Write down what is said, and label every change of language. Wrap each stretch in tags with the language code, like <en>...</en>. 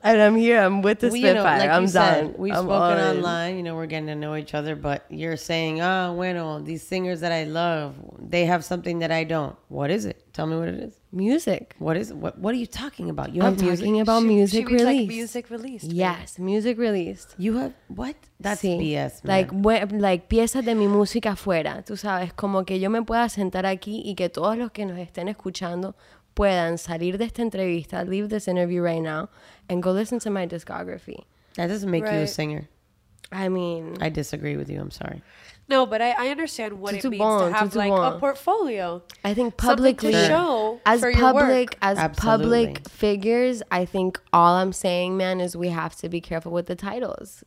<en>And I'm here. I'm with the Spitfire. I'm done. We've spoken online. You know, we're getting to know each other, but you're saying, oh, bueno, these singers that I love, they have something that I don't. What is it? Tell me what it is. Music. What is it? What are you talking about? I'm talking about music release. Like music released. Yes, music released. You have, what? That's BS.</en> <es>Like, pieza de mi música afuera. Tú sabes, como que yo me pueda sentar aquí y que todos los que nos estén escuchando puedan salir de esta entrevista,</es> <en>leave this interview right now,</en> <es>and go listen to my discography.</es> <en>That doesn't make you a singer. I mean, I disagree with you. I'm sorry. No, but I understand what it means to have a portfolio. I think publicly, to show as for public your work. As Absolutely. Public figures, I think all I'm saying, man, is we have to be careful with the titles.</en>